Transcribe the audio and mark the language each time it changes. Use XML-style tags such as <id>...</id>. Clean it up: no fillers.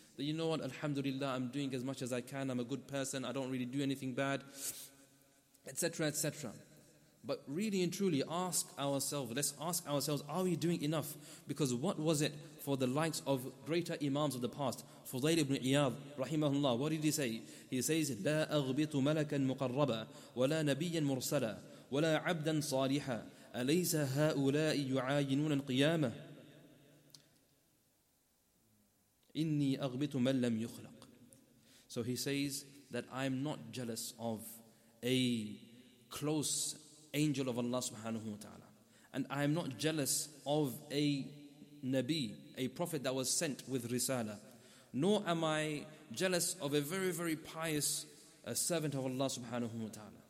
<en>That, you know what, Alhamdulillah, I'm doing as much as I can. I'm a good person. I don't really do anything bad, etc., etc. But really and truly, let's ask ourselves, are we doing enough? Because what was it for the likes of greater imams of the past? Fudayl ibn Iyadh, rahimahullah, what did he say? He says,</en> <ar>لا أغبط ملكا مقربا ولا نبيا مرسلا ولا عبدا صالحا أليس هؤلاء يعاينون القيامة إني أغبط من لم يخلق.</ar> <en>So he says that I'm not jealous of a close angel of Allah subhanahu wa ta'ala, and I am not jealous of a Nabi, a prophet that was sent with Risala, nor am I jealous of a very, very pious servant of Allah subhanahu wa ta'ala.</en>